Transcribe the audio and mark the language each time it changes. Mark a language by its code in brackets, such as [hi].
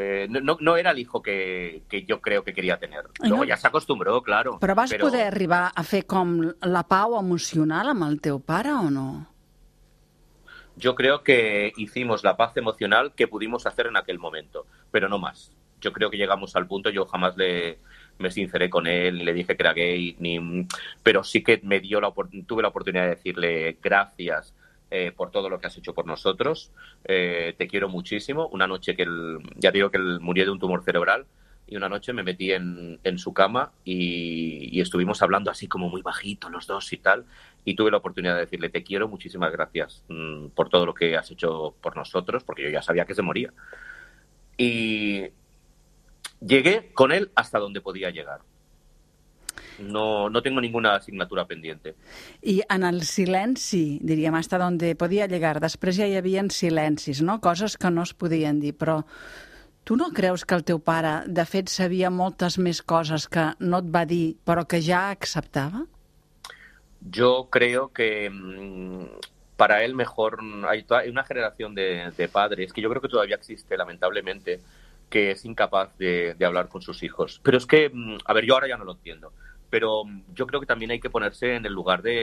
[es] No era el hijo que yo creo que quería tener. Luego no, ya se acostumbró, claro. [ca] Però vas poder arribar a fer com la pau emocional amb el teu pare o no? [es] Yo creo que hicimos la paz emocional que pudimos hacer en aquel momento, pero no más. Yo creo que llegamos al punto, yo jamás me sinceré con él, ni le dije que era gay, pero sí que me dio tuve la oportunidad de decirle gracias por todo lo que has hecho por nosotros, te quiero muchísimo. Una noche que él, ya digo que él murió de un tumor cerebral, y una noche me metí en su cama y estuvimos hablando así como muy bajito los dos y tal, y tuve la oportunidad de decirle te quiero, muchísimas gracias por todo lo que has hecho por nosotros, porque yo ya sabía que se moría. Y llegué con él hasta donde podía llegar. No tengo ninguna assignatura pendiente. [ca] I en el silenci, diríem, [es] hasta donde podia llegar. [ca] Després ja hi havia silencis, no? Coses que no es podien dir. Però tu no creus que el teu pare, de fet, sabia moltes més coses que no et va dir, però que ja acceptava? [es] Yo creo que para él mejor... Hay una generación de padres, que yo creo que todavía existe, lamentablemente, que es incapaz de hablar con sus hijos. Pero es que, a ver, yo ahora ya no lo entiendo. Pero yo creo que también hay que ponerse en el lugar